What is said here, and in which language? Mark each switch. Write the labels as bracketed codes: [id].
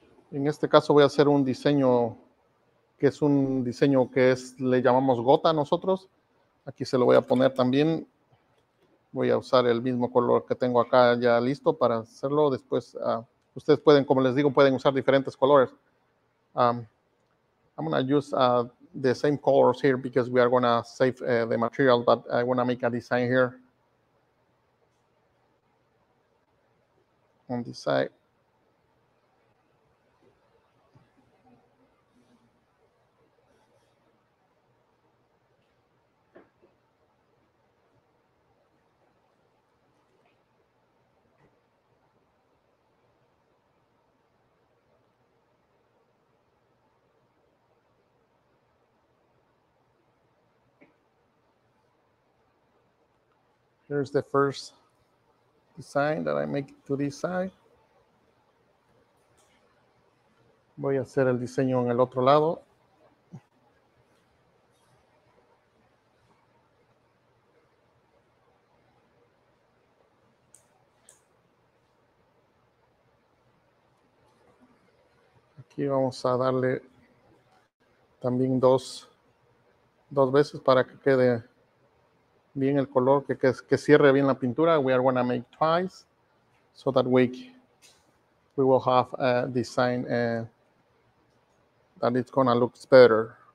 [es] En este caso voy a hacer un diseño que es un diseño que es, le llamamos gota nosotros. Aquí se lo voy a poner también. Voy a usar el mismo color que tengo acá ya listo para hacerlo después a... Ustedes pueden, como les digo, pueden usar diferentes colores. [en] I'm going to use the same colors here because we are going to save the material, but I want to make a design here. On this side. Here's the first design that I make to this side. [es] Voy a hacer el diseño en el otro lado. Aquí vamos a darle también dos veces para que quede bien el color, que cierre bien la pintura. [en] We are going to make twice, so that week we will have a design that it's going to look better.